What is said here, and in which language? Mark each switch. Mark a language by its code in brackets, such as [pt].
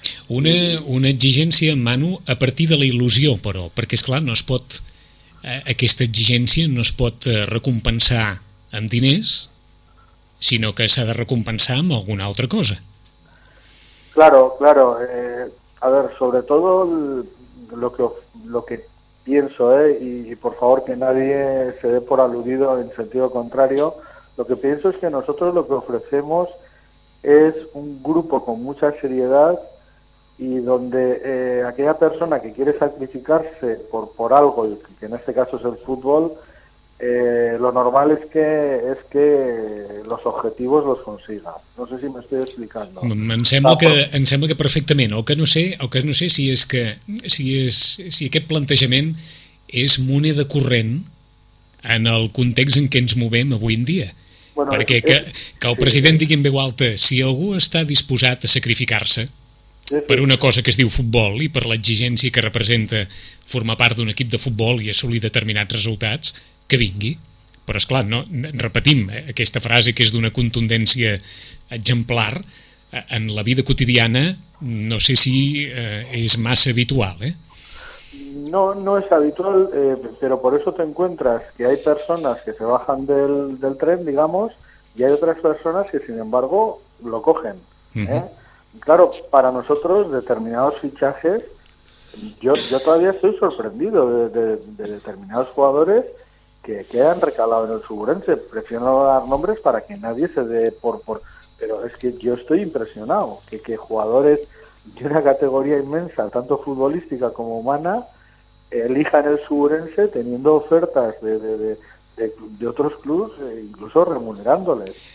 [ca] Una exigencia, Manu, a partir de la il·lusió, però, perquè, és clar, no es pot... aquesta exigència no es pot recompensar amb diners, sinó que s'ha de recompensar amb alguna altra cosa. [es] Claro. A ver, sobre todo lo que pienso, y por favor que nadie se dé por aludido en sentido contrario, lo que pienso es que nosotros lo que ofrecemos es un grupo con mucha seriedad y donde aquella persona que quiere sacrificarse por algo, que en este caso es el fútbol, lo normal es que los objetivos los consiga. No sé si me estoy explicando. [ca] Em sembla que perfectament. O que no sé si aquest plantejament és moneda corrent en el context en què ens movem avui en dia. Bueno, perquè que el president digui en veu alta, si algú està disposat a sacrificar-se per una cosa que es diu futbol i per l'exigència que representa formar part d'un equip de futbol i assolir determinats resultats, que vingui. Però, esclar, no, repetim aquesta frase que és d'una contundència exemplar, en la vida quotidiana no sé si és massa habitual, eh? No és habitual, però per això [es] te encuentras que hay personas que se bajan del tren, digamos, y hay otras personas que, sin embargo, lo cogen. Uh-huh. Claro, para nosotros determinados fichajes, yo todavía estoy sorprendido de determinados jugadores que han recalado en el Suburense. Prefiero no dar nombres para que nadie se dé por... Pero es que yo estoy impresionado que jugadores de una categoría inmensa, tanto futbolística como humana, elijan el Suburense teniendo ofertas de otros clubes, incluso remunerándoles.